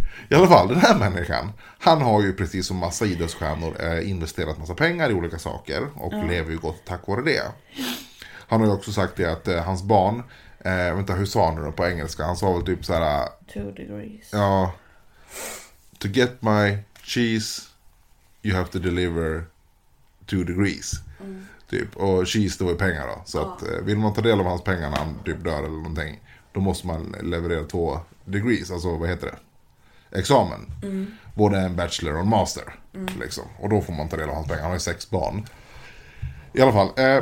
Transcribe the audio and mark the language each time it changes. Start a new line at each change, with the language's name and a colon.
Swedish: I alla fall, den här människan, han har ju precis som massa idrottsstjärnor investerat massa pengar i olika saker och lever ju gott tack vare det. Han har ju också sagt det att hans barn, vänta, hur sa han nu på engelska? Han sa väl typ så här,
English: 2 degrees.
Swedish: Ja.
English: To get my cheese, you have to deliver 2 degrees. Mm.
Swedish: Typ. Och cheese, det var ju pengar då. Så att vill man ta del av hans pengar när han typ dör eller någonting, då måste man leverera
English: 2 degrees.
Swedish: Alltså, vad heter det? Examen. Mm. Både en bachelor och en master. Mm. Liksom. Och då får man ta del av hans pengar. Han har ju 6 barn. I alla fall.